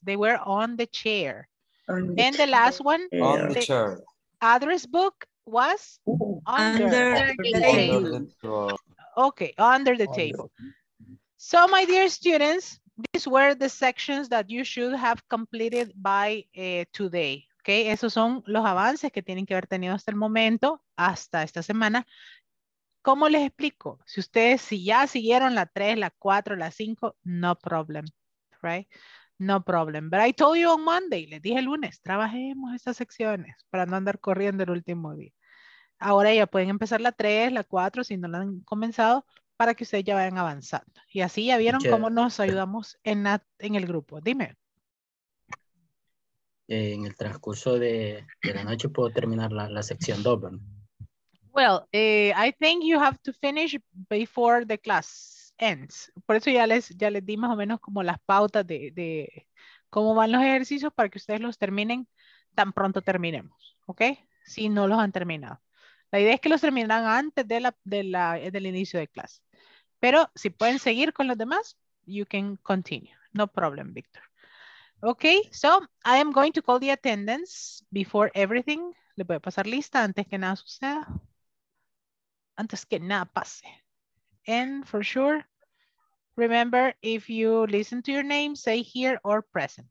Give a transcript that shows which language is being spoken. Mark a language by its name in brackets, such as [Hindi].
[English] They were on the chair. Then the last one, on the chair. Address book was under the table. Okay, under the table. So my dear students, these were the sections that you should have completed by today. [Spanish] Okay, esos son los avances que tienen que haber tenido hasta el momento, hasta esta semana. ¿Cómo les explico? Si ustedes, si ya siguieron la 3, la 4, la 5, [English] no problem, right? No problem. But I told you on Monday, [Spanish] les dije el lunes, trabajemos estas secciones para no andar corriendo el último día. Ahora ya pueden empezar la 3, la 4, si no la han comenzado, para que ustedes ya vayan avanzando. Y así ya vieron cómo nos ayudamos en el grupo. Dime. En el transcurso de la noche puedo terminar la, la sección 2, ¿verdad? [English] Well, I think you have to finish before the class ends. [Spanish] Por eso ya les di más o menos como las pautas de cómo van los ejercicios para que ustedes los terminen tan pronto terminemos, ¿ok? Si no los han terminado. La idea es que los terminarán antes de la, de la, del inicio de clase. Pero si pueden seguir con los demás, [English] you can continue. No problem, [Spanish] Victor. [English] Okay, so I am going to call the attendance before everything. [Spanish] Le voy a pasar lista antes que nada suceda. Antes que nada pase. [English] And for sure, remember if you listen to your name, say here or present.